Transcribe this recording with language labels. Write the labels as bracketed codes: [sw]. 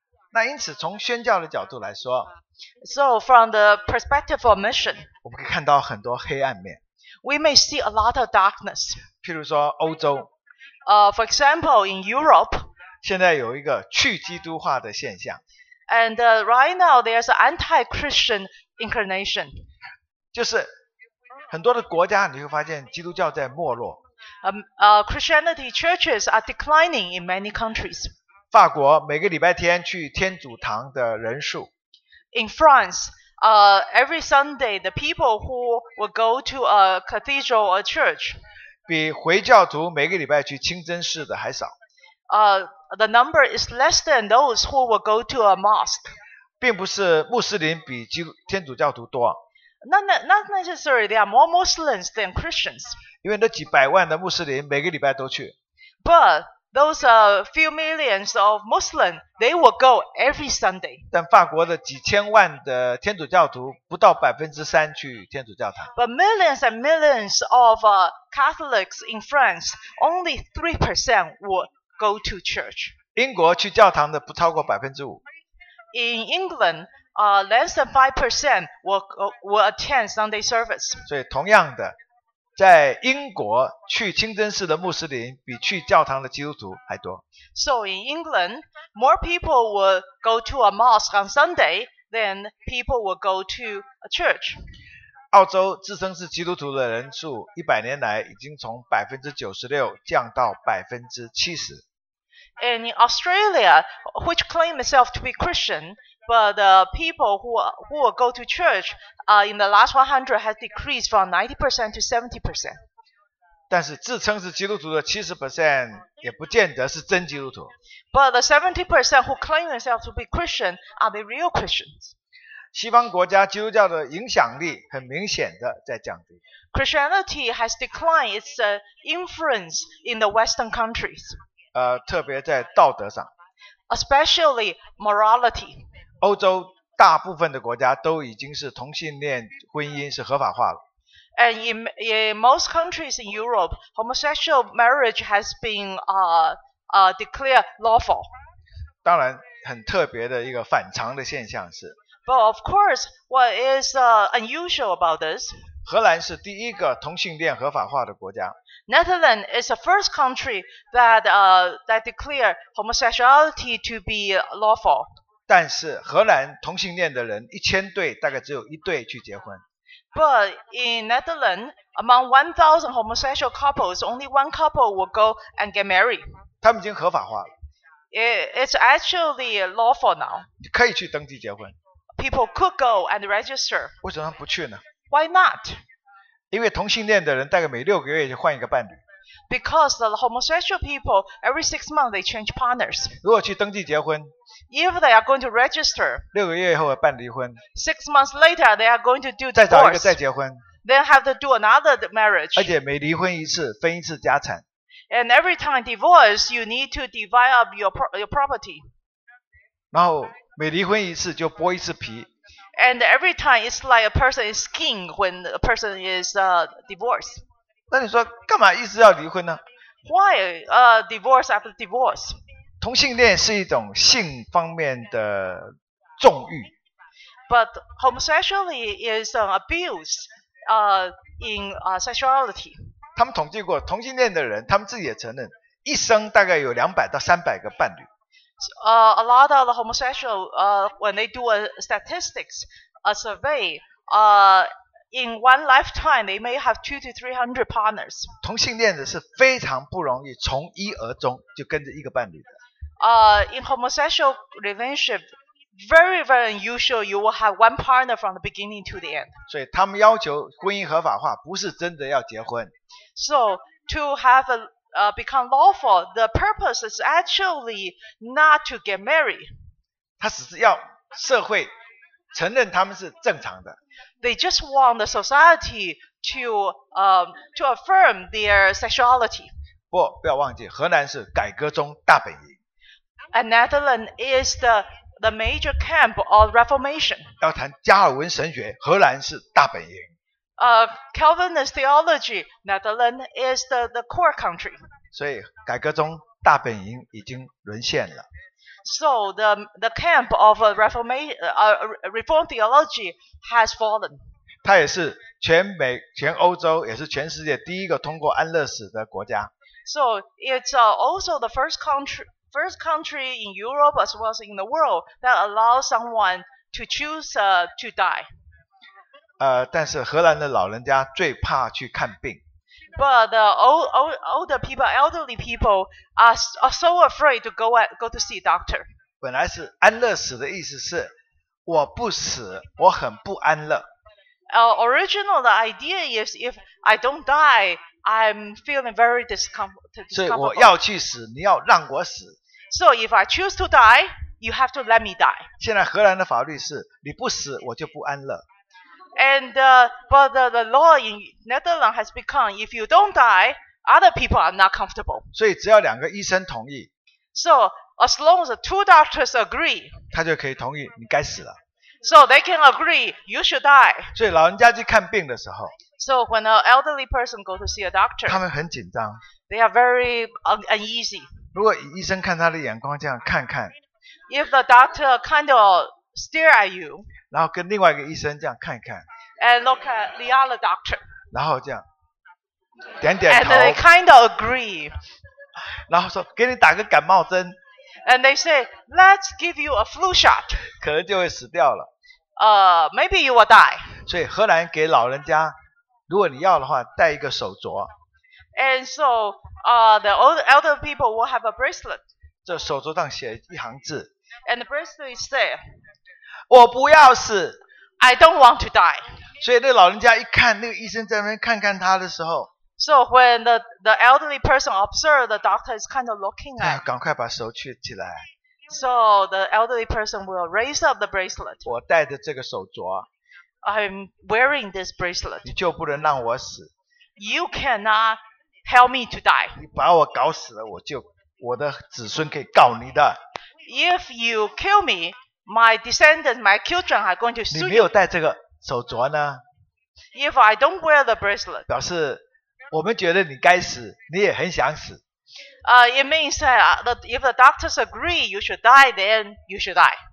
[zh] 那因此从宣教的角度来说。 [en] So from the perspective of mission. [zh] 我们可以看到很多黑暗面。 [en] We may see a lot of darkness. [zh] 譬如说欧洲。 [en] For example, in Europe. [zh] 现在有一个去基督化的现象。 [en] And right now, there's an anti-Christian incarnation. [zh] 就是很多的国家你会发现基督教在没落。 [en] Christianity churches are declining in many countries. [zh] 法国每个礼拜天去天主堂的人数。 [en] In France,every Sunday, the people who will go to a cathedral or church, [zh] 比回教徒每个礼拜去清真寺的还少。 [en] The number is less than those who will go to a mosque. [zh] 并不是穆斯林比天主教徒多。 [en] Not necessarily, there are more Muslims than Christians. [zh] 因为那几百万的穆斯林每个礼拜都去。 [en] But those are few millions of Muslims. They will go every Sunday. [zh] 但法国的几千万的天主教徒不到3%去天主教堂。 [en] But millions and millions of Catholics in France, only 3% will go to church. [zh] 英国去教堂的不超过5%。 [en] In England, less than 5% will attend Sunday service. [zh] 所以同样的，在英国去清真寺的穆斯林比去教堂的基督徒还多。 [en] So in England, more people will go to a mosque on Sunday than people will go to a church. [zh] 澳洲自称是基督徒的人数100年来已经从 96% 降到 70%。 [en] And in Australia, which claim itself to be Christian, but the people who will go to church in the last 100 has decreased from 90% to 70%. [zh] 但是自称是基督徒的 70% 也不见得是真基督徒。 [en] But the 70% who claim themselves to be Christian, are they real Christians? [zh] 西方国家基督教的影响力很明显的在降低。 [en] Christianity has declined its influence in the Western countries. [zh] 特别在道德上 [en] especially morality [zh] 欧洲大部分的国家都已经是同性恋婚姻是合法化了 [en] and in most countries in Europe homosexual marriage has been declared lawful [zh] 当然很特别的一个反常的现象是 [en] but of course what is unusual about this [zh] 荷兰是第一个同性恋合法化的国家 [en] Netherlands is the first country that, that declared homosexuality to be lawful. [zh] 但是荷兰同性恋的人一千对大概只有一对去结婚。 [en] But in Netherlands, among 1,000 homosexual couples, only one couple will go and get married. [zh] 他们已经合法化了。 [en] It's actually lawful now. [zh] 可以去登记结婚。 [en] People could go and register. [zh] 为什么不去呢 [en] ?Why not? [zh] 因为同性恋的人大概每六个月就换一个伴侣。 [en] Because the homosexual people every six months they change partners. [zh] 如果去登记结婚 [en] ，if they are going to register， [zh] 六个月以后办离婚。 [en] Six months later they are going to do divorce. [zh] 再找一个再结婚。 [en] Then have to do another marriage. [zh] 而且每离婚一次分一次家产。 [en] And every time divorce you need to divide up your property. [zh] 然后每离婚一次就剥一次皮。 [en] And every time it's like a person is king when a person is divorced. [zh] 那你说干嘛一直要离婚呢 [en] ？Why divorce after divorce? [zh] 同性恋是一种性方面的纵欲。 [en] But homosexuality is an abuse in sexuality. [zh] 他们统计过同性恋的人，他们自己也承认，一生大概有200到300个伴侣。 [en] A lot of the homosexual, when they do a statistics, a survey, in one lifetime, they may have 200 to 300 partners. [zh] 同性恋者是非常不容易从一而终就跟着一个伴侣的。 [en] In homosexual relationship, very, very unusual, you will have one partner from the beginning to the end. [zh] 所以他们要求婚姻合法化，不是真的要结婚。 [en] So, to have a... become lawful, the purpose is actually not to get married. [zh] 他只是要社会承认他们是正常的。 [en] They just want the society to affirm their sexuality. [zh] 不要忘记，荷兰是改革中大本营。 [en] And Netherlands is the major camp of Reformation. [zh] 要谈加尔文神学，荷兰是大本营。 [en] Calvinist theology, Netherlands is the core country. [zh] 所以改革中大本营已经沦陷了。 [en] So the camp of Reformed theology has fallen. [zh] 它也是全欧洲也是全世界第一个通过安乐死的国家。 [en] So it's also the first country in Europe as well as in the world that allows someone to choose to die. [zh] 但是荷兰的老人家最怕去看病。 [en] But the older people, elderly people are so afraid to go to see doctor. [zh] 本来是安乐死的意思是我不死，我很不安乐。 [en] Original the idea is if I don't die, I'm feeling very discomfortable. [zh] 所以我要去死，你要让我死。 [en] So if I choose to die, you have to let me die. [zh] 现在荷兰的法律是你不死，我就不安乐。 [en] And but the law in Netherlands has become if you don't die, other people are not comfortable. [zh] 所以只要两个医生同意 [en] ，So as long as the two doctors agree, [zh] 他就可以同意你该死了。 [en] So they can agree you should die. [zh] 所以老人家去看病的时候 [en] ，So when an elderly person go to see a doctor, [zh] 他们很紧张 [en] ，They are very uneasy. [zh] 如果医生看他的眼光这样看看 [en] ，If the doctor kind of stare at you. [zh] 然后跟另外一个医生这样看一看。 [en] And look at the other doctor. [zh] 然后这样点点头。 [en] And they kind of agree. [zh] 然后说给你打个感冒针。 [en] And they say, let's give you a flu shot. [zh] 可能就会死掉了。 [en] Maybe you will die. [zh] 所以荷兰给老人家，如果你要的话，戴一个手镯。 [en] And so, the old elder people will have a bracelet. [zh] 这手镯上写一行字。 [en] And the bracelet says, [zh] 我不要死。 [en] I don't want to die. [zh] 所以那老人家一看，那个医生在那边看看他的时候。 [en] So when the elderly person observed, the doctor is kind of looking at. [zh] 赶快把手举起来。 [en] So the elderly person will raise up the bracelet. [zh] 我戴着这个手镯。 [en] I'm wearing this bracelet. [zh] 你就不能让我死。 [en] You cannot help me to die. [zh] 你把我搞死了，我的子孙可以告你的。 [en] If you kill me, my descendants, my children are going to sue you. [zh] 你没有戴这个手镯呢。 [en] If I don't wear the bracelet. [zh] 表示我们觉得你该死，你也很想死。 [en] It means that if the doctors agree you should die, then you should die.